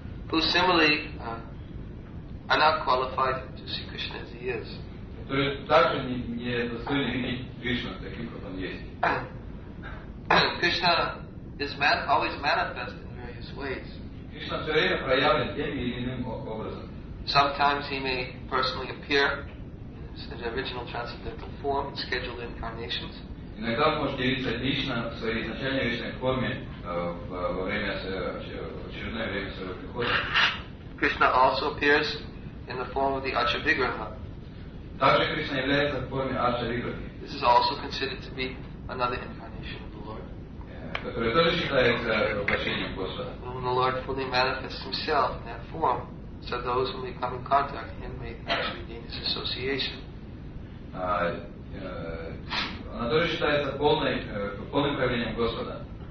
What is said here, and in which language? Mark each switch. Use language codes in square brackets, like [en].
[en] Who similarly are not qualified to see Krishna as he is. [ru] То есть также не достойны видеть Кришну таким, как он есть. [en] Krishna is always manifest in various ways. [ru] Кришна все время проявлен тем или иным образом. [en] Sometimes he may personally appear in his original transcendental form in scheduled incarnations. [ru] Иногда он может явиться лично в своей изначальной вечной форме во время очередное время своего прихода. [en] Krishna also appears in the form of the Acharya-vigraha. [ru] Также Кришна является в форме Acharya-vigraha. [en] This is also considered to be another incarnation of the Lord. [ru] Которое тоже считается воплощением Господа. [en] When the Lord fully manifests himself in that form, so those who may come in contact with him may actually gain his association. [ru] Она тоже считается полным проявлением Господа.